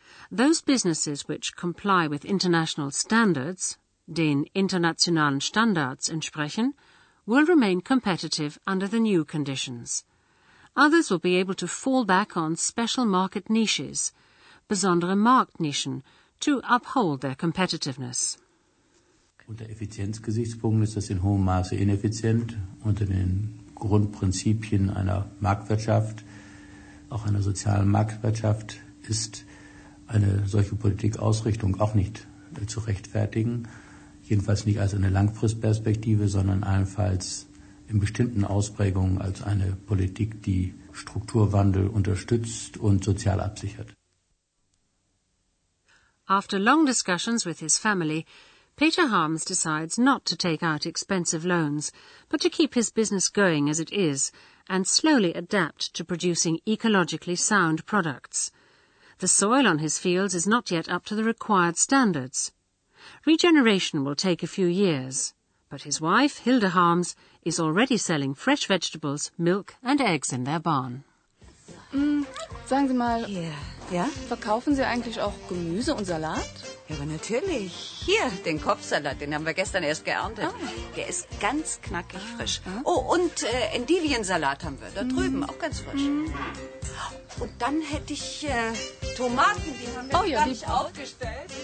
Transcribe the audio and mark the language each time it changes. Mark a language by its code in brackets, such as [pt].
[en] Those businesses which comply with international standards, [de] den internationalen Standards entsprechen, [en] will remain competitive under the new conditions. Others will be able to fall back on special market niches, [de] besondere Marktnischen, [en] to uphold their competitiveness. [de] Unter Effizienzgesichtspunkten ist das in hohem Maße ineffizient. Unter den Grundprinzipien einer Marktwirtschaft, auch einer sozialen Marktwirtschaft, ist eine solche Politikausrichtung auch nicht zu rechtfertigen, jedenfalls nicht als eine Langfristperspektive, sondern allenfalls in bestimmten Ausprägungen als eine Politik, die Strukturwandel unterstützt und sozial absichert. [en] After long discussions with his family, Peter Harms decides not to take out expensive loans, but to keep his business going as it is and slowly adapt to producing ecologically sound products. The soil on his fields is not yet up to the required standards. Regeneration will take a few years, but his wife, Hilde Harms, is already selling fresh vegetables, milk and eggs in their barn. [de] Sagen Sie mal, hier. Ja? Verkaufen Sie eigentlich auch Gemüse und Salat? Ja, aber natürlich. Hier, den Kopfsalat, den haben wir gestern erst geerntet. Ah. Der ist ganz knackig frisch. Ah. Oh, und Endiviensalat haben wir da drüben, auch ganz frisch. Und dann hätte ich Tomaten, die haben wir gleich aufgestellt.